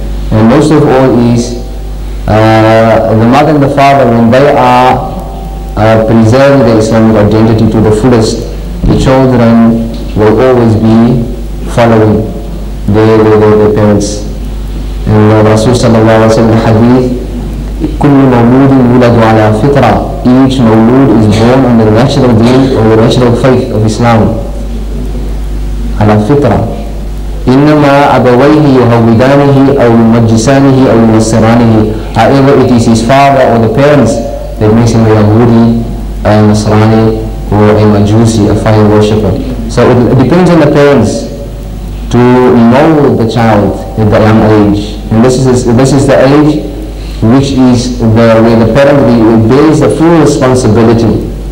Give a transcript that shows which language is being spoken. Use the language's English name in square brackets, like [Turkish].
[English] And most of all is the mother and the father, when they are preserving their Islamic identity to the fullest, the children will always be following their parents. And Rasul sallallahu alayhi wa sallam in hadith, [Arabic] كل مولود يولد على فطرة. [English] Each مولود is born on the natural deen or the natural faith of Islam. [Arabic] على فطرة. إنما أبويه يهودانه أو يمجسانه أو ينصرانه. [English] However it is his father or the parents that makes him a Yahudi, a Nasrani, or a Majusi, a fire worshipper. So it depends on the parents to mold the child at the young age. And this is the age which is where the parent bears the full responsibility.